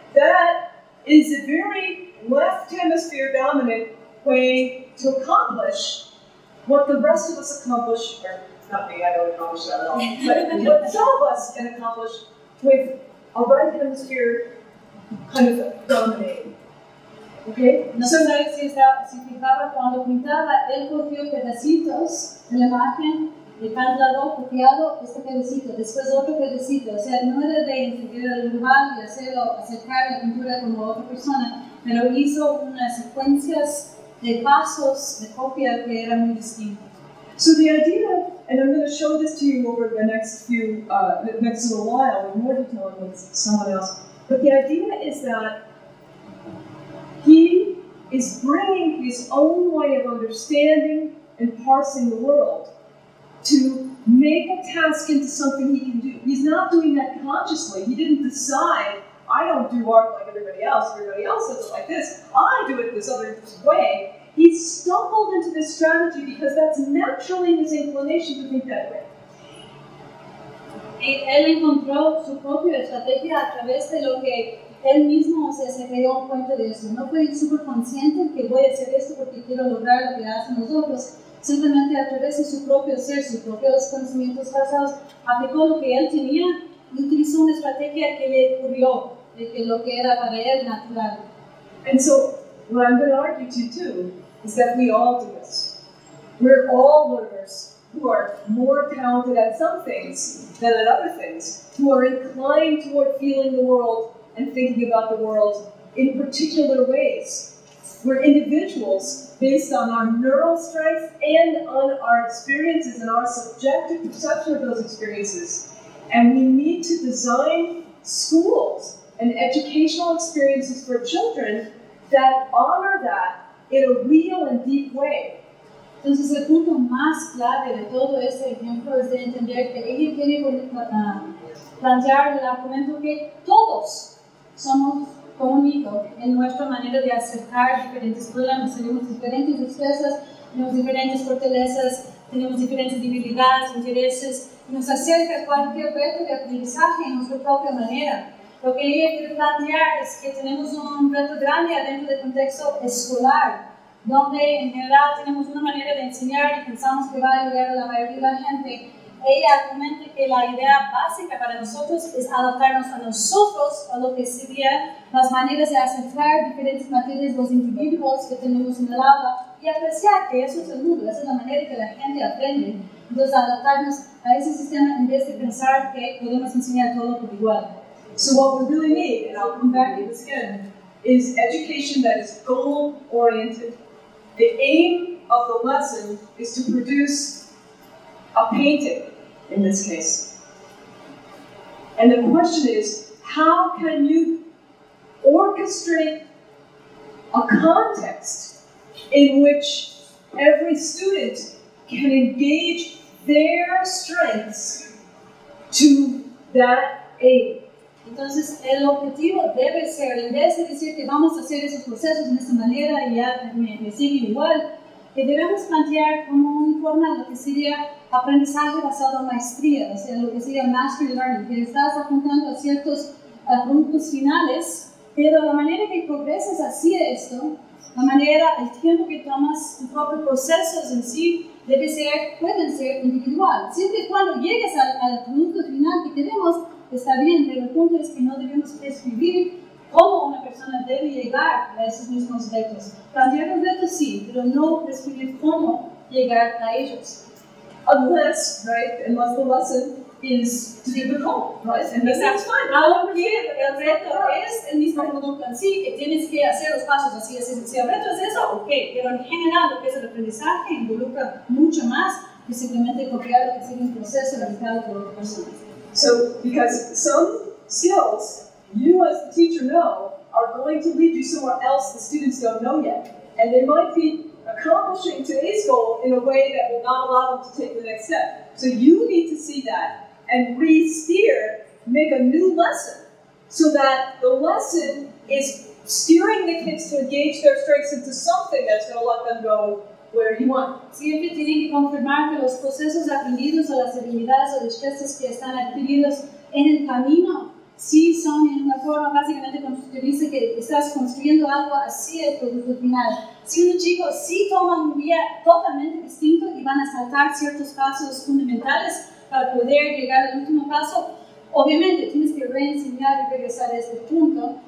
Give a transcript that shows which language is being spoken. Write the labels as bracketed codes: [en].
[en] That is a very left hemisphere dominant way to accomplish what the rest of us accomplish, or not me, I don't accomplish that at all, but what some of us can accomplish with a right hemisphere kind of dominating. Okay. [es] No sé si estaba, si fijaba cuando pintaba, él cogió pedacitos en la imagen de cantado, copiado este pedacito, después otro pedacito. O sea, no era de entender el dibujo y hacerlo, acercar la pintura como otra persona, pero hizo unas secuencias de pasos de copia que eran muy distintas. [en] So the idea, and I'm going to show this to you over the next few, next little while, in more detail with someone else, but the idea is that he is bringing his own way of understanding and parsing the world to make a task into something he can do. He's not doing that consciously. He didn't decide, I don't do art like everybody else does it like this. I do it this other way. He stumbled into this strategy because that's naturally his inclination to think that way. [es] Él encontró su propia estrategia a través de lo que él mismo, o sea, se dio cuenta de eso. No fue súper consciente que voy a hacer esto porque quiero lograr lo que hacen los otros. Simplemente a través de su propio ser, sus propios conocimientos pasados, aplicó lo que él tenía y utilizó una estrategia que le ocurrió de que lo que era para él natural. [en] And so, what I'm going to argue to you too is that we all do this. We're all learners who are more talented at some things than at other things, who are inclined toward feeling the world and thinking about the world in particular ways. We're individuals based on our neural strength and on our experiences and our subjective perception of those experiences. And we need to design schools and educational experiences for children that honor that in a real and deep way. [es] Entonces, el punto más clave de todo este ejemplo es de entender que ella tiene que plantear el argumento que todos somos como un hijo en nuestra manera de acercar diferentes problemas. Tenemos diferentes destrezas, tenemos diferentes fortalezas, tenemos diferentes debilidades, intereses. Nos acerca a cualquier reto de aprendizaje en nuestra propia manera. Lo que ella quiere plantear es que tenemos un reto grande adentro del contexto escolar, donde en general tenemos una manera de enseñar y pensamos que va a ayudar a la mayoría de la gente. Ella argumenta que la idea básica para nosotros es adaptarnos a nosotros, a lo que sería las maneras de acentuar diferentes materias, los individuos que tenemos en el aula, y apreciar que eso es el mundo, esa es la manera que la gente aprende. Entonces, adaptarnos a ese sistema en vez de pensar que podemos enseñar todo por igual. [en] So what we really need, and I'll come back to this again, is education that is goal-oriented. The aim of the lesson is to produce a painting, in this case. And the question is, how can you orchestrate a context in which every student can engage their strengths to that aim? [es] Entonces, el objetivo debe ser, en vez de decir que vamos a hacer esos procesos de esta manera y ya me sigue igual, que debemos plantear como un forma lo que sería aprendizaje basado en maestría, o sea, lo que sería mastery learning, que estás apuntando a ciertos puntos finales, pero la manera que progresas hacia esto, la manera, el tiempo que tomas tus propios procesos en sí, debe ser, pueden ser individual. Siempre y cuando llegues al punto final que queremos, está bien, pero el punto es que no debemos prescribir cómo una persona debe llegar a esos mismos retos. Plantear los retos sí, pero no prescribir cómo llegar a ellos. [en] Unless, right, unless the lesson is to be recalled, right? And that's fine. [es] Ahora bien, el reto es el mismo producto en sí, que tienes que hacer los pasos así, así, así. El reto es eso, ok, pero en general lo que es el aprendizaje involucra mucho más que simplemente copiar lo que sigue un proceso realizado por otra persona. [en] So, because some skills, you as the teacher know, are going to lead you somewhere else the students don't know yet. And they might be accomplishing today's goal in a way that will not allow them to take the next step. So you need to see that and re-steer, make a new lesson, so that the lesson is steering the kids to engage their strengths into something that's going to let them go where you want. [es] Siempre tienen que confirmar que los procesos aprendidos o las habilidades o destrezas que están adquiridos en el camino sí son en una forma básicamente cuando te dice que estás construyendo algo hacia el producto final. Si un chico sí toma un día totalmente distinto y van a saltar ciertos pasos fundamentales para poder llegar al último paso, obviamente tienes que reenseñar y regresar a este punto.